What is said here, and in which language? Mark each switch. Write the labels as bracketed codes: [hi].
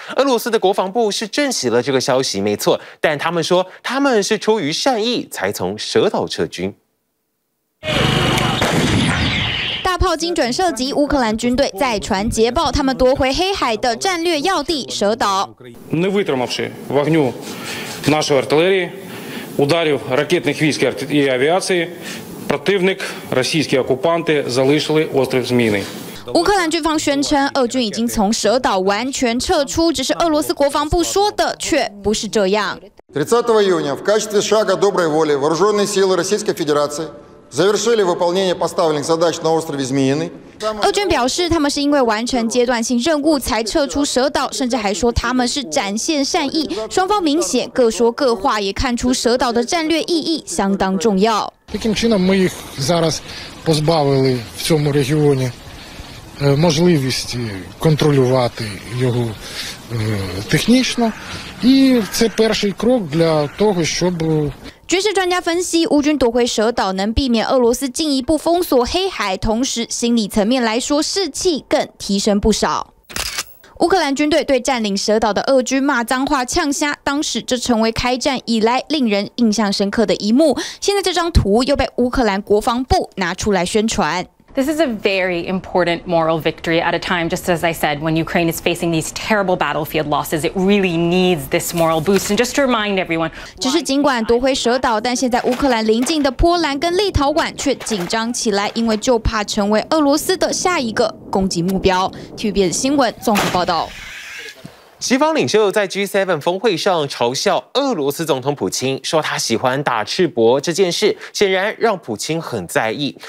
[zh] 俄罗斯的国防部是证实了这个消息没错，但他们说他们是出于善意才从蛇岛撤军。大炮精准射击，乌克兰军队再传捷报，他们夺回黑海的战略要地蛇岛。 [uk] Не витримавши вогню нашої артилерії ударів ракетних військ і авіації, противник, російські окупанти залишили острів Зміни. [zh] 乌克兰军方宣称，俄军已经从蛇岛完全撤出，只是俄罗斯国防部说的却不是这样。 [ru] 30 июня в качестве шага доброй волі вооруженные силы Российской Федерации завершили выполнение поставленных задач на острове Зміни. [zh] 俄军表示，他们是因为完成阶段性任务才撤出蛇岛，甚至还说他们是展现善意。双方明显各说各话，也看出蛇岛的战略意义相当重要。 [uk] Таким чином ми їх зараз позбавили в цьому регіоні можливості контролювати його технічно, і це перший крок для того, щоб [zh] 军事专家分析，乌军夺回蛇岛能避免俄罗斯进一步封锁黑海，同时心理层面来说士气更提升不少。乌克兰军队对占领蛇岛的俄军骂脏话呛虾，当时这成为开战以来令人印象深刻的一幕。现在这张图又被乌克兰国防部拿出来宣传。 [en] This is a very important moral victory at a time, just as I said, when Ukraine is facing these terrible battlefield losses. It really needs this moral boost. And just to remind everyone, [zh] 只是尽管夺回蛇岛，但现在乌克兰邻近的波兰跟立陶宛却紧张起来，因为就怕成为俄罗斯的下一个攻击目标。 TVBS 新闻综合报道。西方领袖在 G7 峰会上嘲笑俄罗斯总统普京，说他喜欢打赤膊，这件事显然让普京很在意。